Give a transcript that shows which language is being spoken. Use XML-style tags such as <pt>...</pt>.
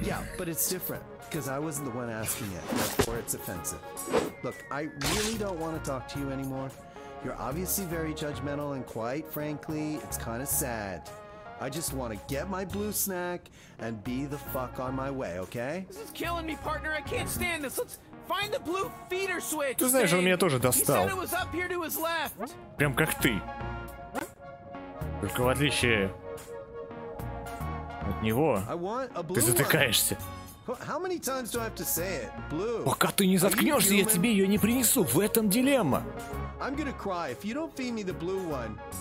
<en>Yeah, but it's different, because I wasn't the one asking it. Therefore, it's offensive. Look, I really don't want to talk to you anymore. You're obviously very judgmental, and quite frankly, it's kind of sad. I just want to get my blue snack and be the fuck on my way, okay? This is killing me, partner. I can't stand this. Let's find the blue feeder switch.</en> <ru>Ты знаешь, он меня тоже достал.</ru> <en>He said it was up here to his left.</en> <ru>Прям как ты. Только в отличие от него, ты затыкаешься.</ru> <en>How many times do I have to say it? Blue.</en> <ru>Пока ты не заткнешься, я тебе ее не принесу. В этом дилемма.</ru> <en>I'm gonna cry if you don't feed me the blue one.</en>